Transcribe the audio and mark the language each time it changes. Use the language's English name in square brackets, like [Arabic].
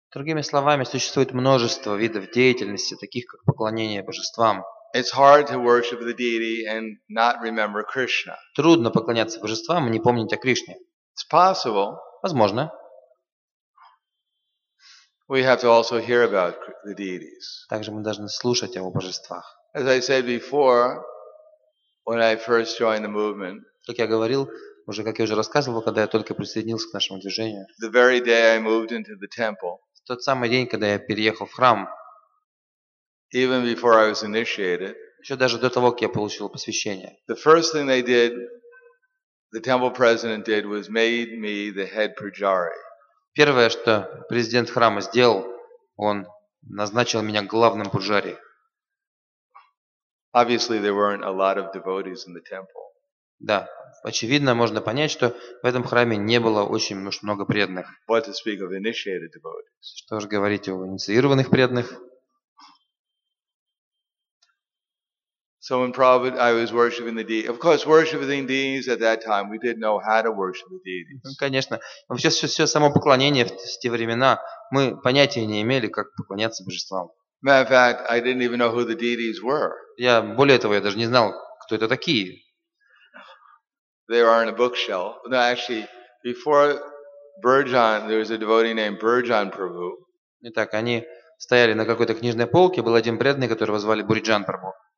[Russian] Другими словами, существует множество видов деятельности, таких как поклонение божествам. [English] It's hard to worship the deity and not remember Krishna. [Russian] Трудно поклоняться божествам и не помнить о Кришне. [English] It's possible. [Russian] Возможно. [English] We have to also hear about the deities. [Russian] Также мы должны слушать о божествах. [English] As I said before, when I first joined the movement, [Russian] как я говорил, уже как я уже рассказывал, когда я только присоединился к нашему движению. [English] The very day I moved into the temple. [Russian] В тот самый день, когда я переехал в храм. [English] Even before I was initiated. [Russian] Еще даже до того, как я получил посвящение. [English] The first thing they did, the temple president did, was made me the head pujari. [Russian] Первое, что президент храма сделал, он назначил меня главным пуджари. [English] Obviously, there weren't a lot of devotees in the temple. [Russian] Да, очевидно, можно понять, что в этом храме не было очень много преданных. [English] What to speak of initiated devotees? [Russian] Что же говорить о инициированных преданных? [English] So in Prabhupada, I was worshiping the deities. Of course, worshiping the deities at that time, we didn't know how to worship the deities. [Russian] Конечно. Все само поклонение в те времена, мы понятия не имели, как поклоняться божествам. [English] Matter of fact, I didn't even know who the deities were. [Russian] Я, более того, я даже не знал, кто это такие. [English] They are on a bookshelf. No, actually, before Burjan, there was a devotee named Burjan Prabhu. [Russian] Итак, они стояли на какой-то книжной полке, был один преданный, которого звали Бурджан Прабху.